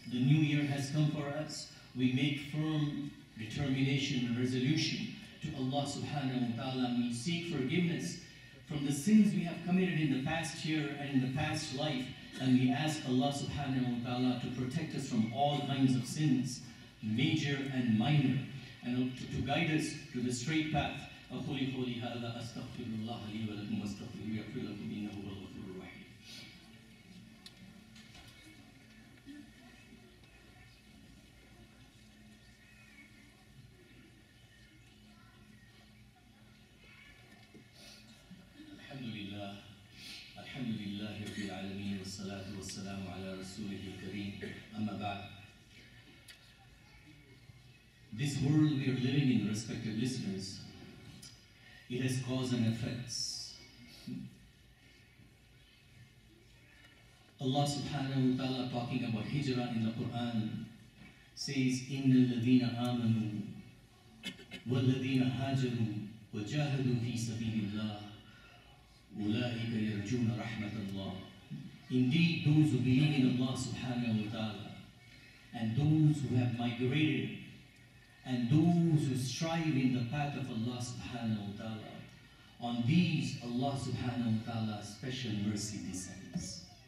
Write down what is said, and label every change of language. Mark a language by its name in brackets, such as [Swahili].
[English] The new year has come for us. We make firm determination and resolution to Allah subhanahu wa ta'ala. We seek forgiveness from the sins we have committed in the past year and in the past life. And we ask Allah subhanahu wa ta'ala to protect us from all kinds of sins, major and minor, and to guide us to the straight path. [Arabic] أقول قولي هذا أستغفر الله لي ولكم وأستغفره يغفر لكم إنه هو الغفور الرحيم. الحمد لله الحمد لله رب العالمين والصلاة والسلام على رسوله الكريم. أما بعد, [English] this world we are living in, respected listeners, it has cause and effects. Allah subhanahu wa ta'ala talking about hijrah in the Quran says, [Arabic] إِنَّ الَّذِينَ آمَنُوا وَالَّذِينَ هَاجَرُوا وَجَاهَدُوا فِي سَبِيلِ اللَّهِ أُولَٰئِكَ يَرْجُونَ رَحْمَةَ اللَّهِ. [English] Indeed, those who believe in Allah subhanahu wa ta'ala and those who have migrated and those who strive in the path of Allah subhanahu wa ta'ala, on these Allah subhanahu wa ta'ala special mercy descends.